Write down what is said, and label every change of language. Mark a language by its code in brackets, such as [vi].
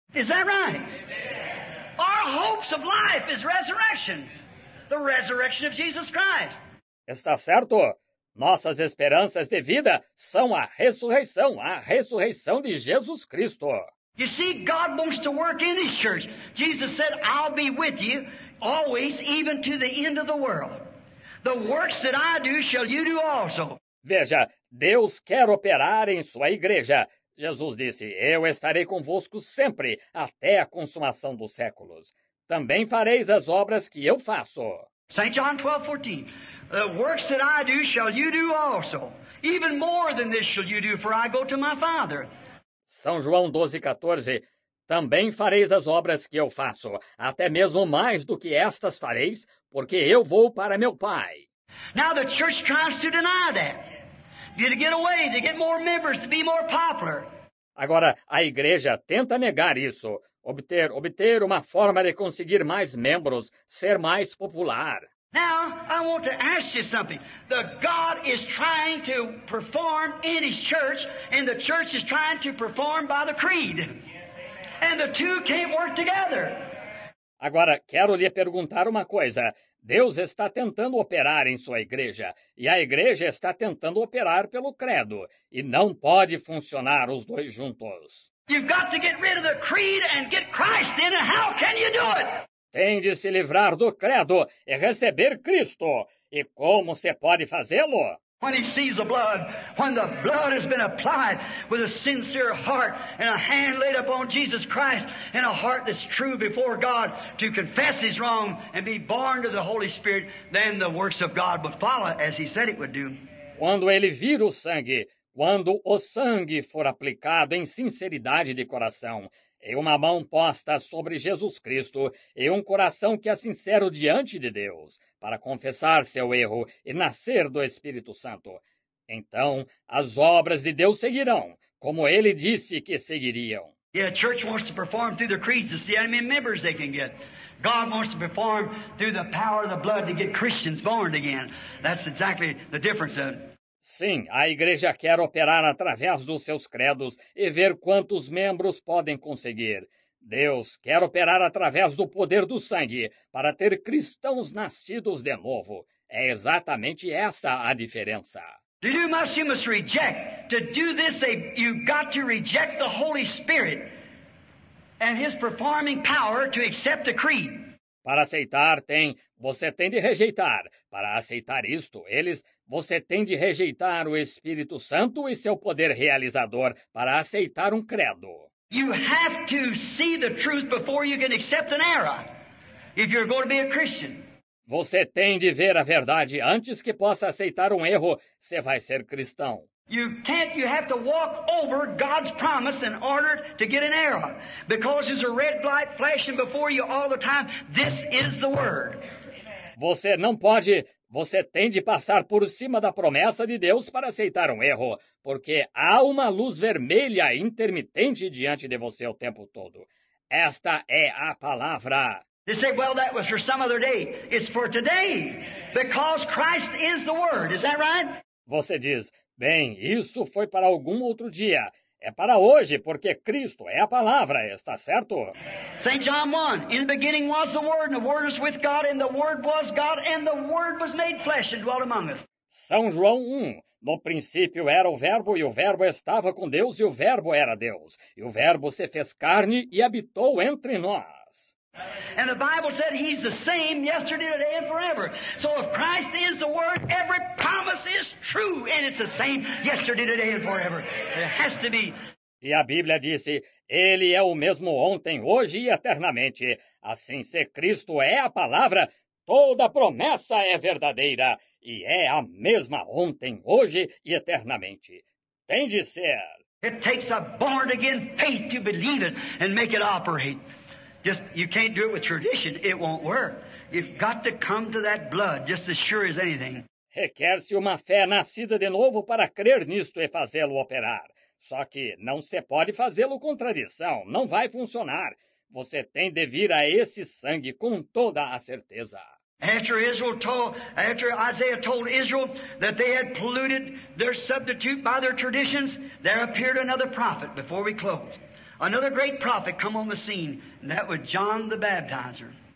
[en] Is that right? Our hopes of life is resurrection. The resurrection of Jesus Christ. [pt] Está certo? Nossas esperanças de vida são a ressurreição de Jesus Cristo. [en] You see, God wants to work in his church. Jesus said, I'll be with you always, even to the end of the world. The works that I do, shall you do also. [pt] Veja, Deus quer operar em sua igreja. Jesus disse, eu estarei convosco sempre, até a consumação dos séculos. Também fareis as obras que eu faço. [en] St. John 12:14. The works that I do, shall you do also. Even more than this shall you do, for I go to my Father. [pt] São João 12:14. Também fareis as obras que eu faço, até mesmo mais do que estas fareis, porque eu vou para meu Pai. [en] Now the church tries to deny that. To get away, to get more members, to be more popular. [pt] Agora, a igreja tenta negar isso, obter uma forma de conseguir mais membros, ser mais popular. [en] Now, I want to ask you something. The God is trying to perform in his church, and the church is trying to perform by the creed. And the two can't work together. [pt] Agora, quero lhe perguntar uma coisa. Deus está tentando operar em sua igreja, e a igreja está tentando operar pelo credo, e não pode funcionar os dois juntos. [en] You've got to get rid of the creed and get Christ in it. How can you do it? [pt] Tem de se livrar do credo e receber Cristo. E como você pode fazê-lo? [en] When he sees the blood, when the blood has been applied with a sincere heart and a hand laid upon Jesus Christ and a heart that's true before God to confess his wrong and be born to the Holy Spirit, then the works of God would follow as he said it would do. [pt] Quando ele vir o sangue, quando o sangue for aplicado em sinceridade de coração, e uma mão posta sobre Jesus Cristo, e um coração que é sincero diante de Deus, para confessar seu erro e nascer do Espírito Santo. Então, as obras de Deus seguirão, como ele disse que seguiriam. [en] Yeah, a church wants to perform through the creeds to see how many members they can get. God wants to perform through the power of the blood to get Christians born again. That's exactly the difference of... [pt] Sim, a igreja quer operar através dos seus credos e ver quantos membros podem conseguir. Deus quer operar através do poder do sangue para ter cristãos nascidos de novo. É exatamente essa a diferença. [en] You must reject. To do this, you've got to reject the Holy Spirit and his performing power to accept the creed. [pt] Para aceitar, você tem de rejeitar. Para aceitar isto, você tem de rejeitar o Espírito Santo e seu poder realizador para aceitar um credo. [en] You have to see the truth before you can accept an error if you're going to be a Christian. [pt] Você tem de ver a verdade antes que possa aceitar um erro, você vai ser cristão. [en] You can't, you have to walk over God's promise in order to get an error. Because there's a red light flashing before you all the time. This is the word. [pt] Você não pode, você tem de passar por cima da promessa de Deus para aceitar um erro. Porque há uma luz vermelha intermitente diante de você o tempo todo. Esta é a palavra. [en] They say, well, that was for some other day. It's for today. Because Christ is the word. Is that right? [pt] Você diz, bem, isso foi para algum outro dia. É para hoje, porque Cristo é a palavra, está certo? [en] St. John 1, in the beginning was the Word, and the Word was with God, and the Word was God, and the Word was made flesh and dwelt among us. [pt] São João 1, no princípio era o Verbo, e o Verbo estava com Deus, e o Verbo era Deus. E o Verbo se fez carne e habitou entre nós. [en] And the Bible said he's the same yesterday, today, and forever. So if Christ is the Word, every promise is true, and it's the same yesterday, today, and forever. It has to be. [pt] E a Bíblia disse, ele é o mesmo ontem, hoje e eternamente. Assim, se Cristo é a palavra, toda promessa é verdadeira, e é a mesma ontem, hoje e eternamente. Tem de ser. [en] It takes a born-again faith to believe it and make it operate. Just, you can't do it with tradition. It won't work. You've got to come to that blood, just as sure as anything. [pt] Requer-se uma fé nascida de novo para crer nisto e fazê-lo operar. Só que não se pode fazê-lo com tradição. Não vai funcionar. Você tem de vir a esse sangue com toda a certeza. [en] After Isaiah told Israel that they had polluted their substitute by their traditions, there appeared another prophet before we closed. Another great prophet come on the scene, and that was John the Baptizer.